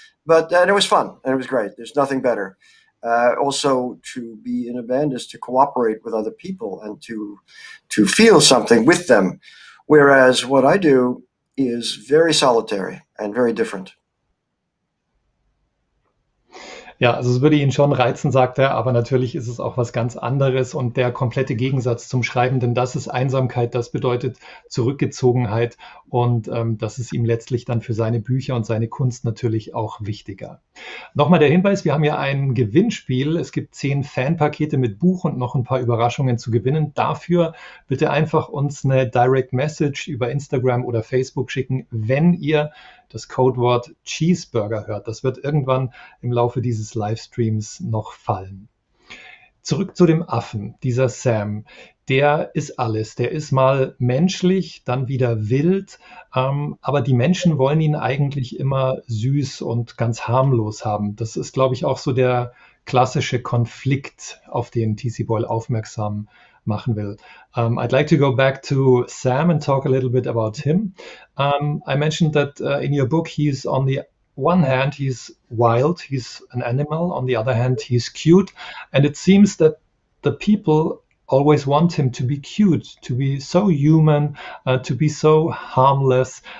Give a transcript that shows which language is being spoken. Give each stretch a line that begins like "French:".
English: But then it was fun and it was great. There's nothing better. Also, to be in a band is to cooperate with other people and to feel something with them, whereas what I do is very solitary and very different.
German: Ja, also es würde ihn schon reizen, sagt er, aber natürlich ist es auch was ganz anderes und der komplette Gegensatz zum Schreiben, denn das ist Einsamkeit, das bedeutet Zurückgezogenheit und das ist ihm letztlich dann für seine Bücher und seine Kunst natürlich auch wichtiger. Nochmal der Hinweis, wir haben ja ein Gewinnspiel. Es gibt 10 Fanpakete mit Buch und noch ein paar Überraschungen zu gewinnen. Dafür bitte einfach uns eine Direct Message über Instagram oder Facebook schicken, wenn ihr das Codewort Cheeseburger hört. Das wird irgendwann im Laufe dieses Livestreams noch fallen. Zurück zu dem Affen, dieser Sam. Der ist alles. Der ist mal menschlich, dann wieder wild. Aber die Menschen wollen ihn eigentlich immer süß und ganz harmlos haben. Das ist, glaube ich, auch so der klassische Konflikt, auf den T.C. Boyle aufmerksam machen will.
English: I'd like to go back to Sam and talk a little bit about him. I mentioned that in your book, he's on the one hand, he's wild, he's an animal. On the other hand, he's cute. And it seems that the people always want him to be cute, to be so human, to be so harmless.